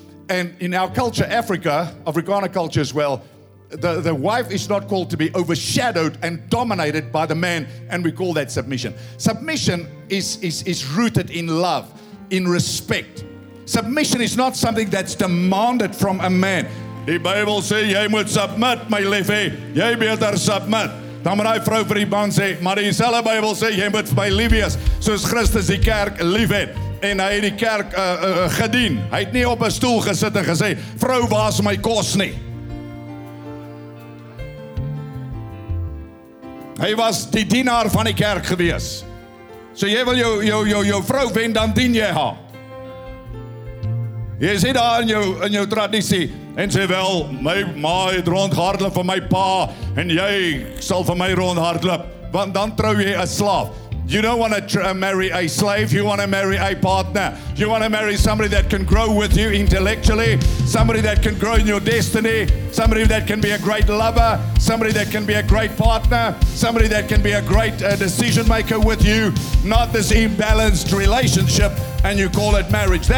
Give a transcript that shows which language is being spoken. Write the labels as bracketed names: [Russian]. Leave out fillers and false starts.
[English] And in our culture, Africa, Afrikaner culture as well, the wife is not called to be overshadowed and dominated by the man. And we call that submission. Submission is rooted in love, in respect. Submission is not something that's demanded from a man. The Bible says, [Afrikaans] jy moet submit, my liefie. Jy beter submit. Dan moet hy vrou vir die man sê, maar die selfe Bybel sê, jy moet my lief wees, soos Christus die kerk lief het. En hy het die kerk gedien. Hy het nie op 'n stoel gesit en gesê, vrou, waar is my kos nie? Hy was die dienaar van die kerk gewees. So jy wil jou vrou wen, dan dien jy haar. Jy sê daar in jou traditie, en sê wel, my ma het rondhardloop van my pa, en jy sal van my rondhardloop, want dan trou jy 'n slaaf. [English] You don't want to marry a slave, you want to marry a partner. You want to marry somebody that can grow with you intellectually, somebody that can grow in your destiny, somebody that can be a great lover, somebody that can be a great partner, somebody that can be a great decision maker with you, not this imbalanced relationship, and you call it marriage.